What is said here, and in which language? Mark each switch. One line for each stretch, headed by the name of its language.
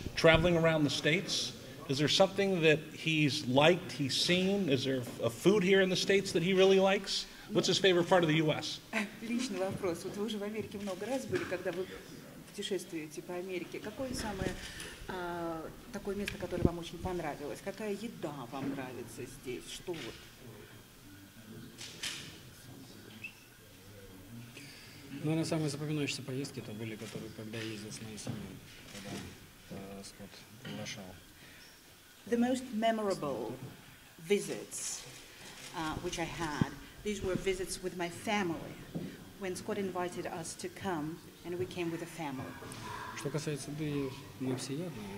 English: Traveling around the States, is there something that he's liked, he's seen? Is there a food here in the States that he really likes? What's his favorite part of the U.S.?
Russian: Личный вопрос. Вот вы уже в Америке много раз были, когда вы путешествуете по Америке. Какое самое такое место, которое вам очень понравилось? Какая еда вам нравится здесь? Что вот? Ну, на самые запоминающиеся поездки это были, которые, когда я ездил с моей семьей, когда Скотт приглашал.
English: The most memorable visits, which I had, these were visits with my family, when Scott invited us to come, and we came with the family.
Russian: Что касается еды, мы все едим.